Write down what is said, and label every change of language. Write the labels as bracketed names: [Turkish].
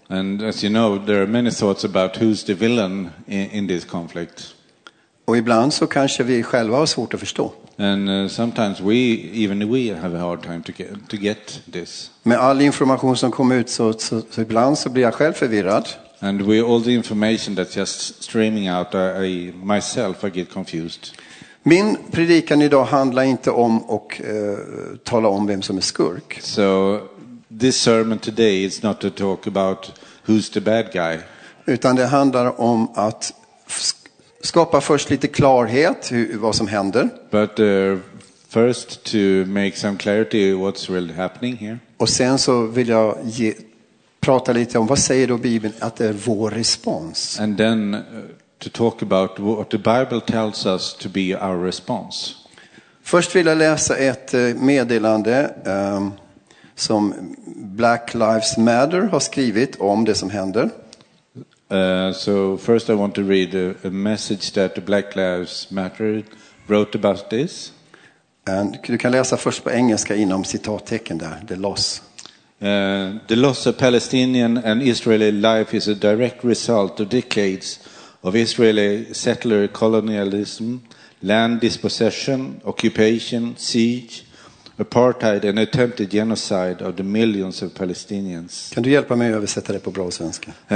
[English] And as you know there are many thoughts about who's the villain in this conflict. [Swedish] Och ibland så kanske vi själva har svårt att förstå. [English] And sometimes even we have a hard time to get this. [Swedish] Med all information som kommer ut så ibland så blir jag själv förvirrad. [English] And with all the information that's just streaming out I get confused. [Swedish] Min predikan idag handlar inte om att tala om vem som är skurk. [English] So this sermon today is not to talk about who's the bad guy. [Swedish] Utan det handlar om att skapa först lite klarhet vad som händer. [English] But first to make some clarity what's really happening here. [Swedish] Och sen så vill jag prata lite om vad säger då Bibeln att det är vår respons. [English] And then to talk about what the Bible tells us to be our response. [Swedish] Först vill jag läsa ett meddelande som Black Lives Matter har skrivit om det som händer. [English] So first I want to read a message that Black Lives Matter wrote about this. [Swedish] And du kan läsa först på engelska inom citattecken där, [English] the loss. The loss of Palestinian and Israeli life is a direct result of decades of Israeli settler colonialism, land dispossession, occupation, siege, apartheid and attempted genocide of the millions of Palestinians. [Swedish] Kan du hjälpa mig att översätta det på bra svenska?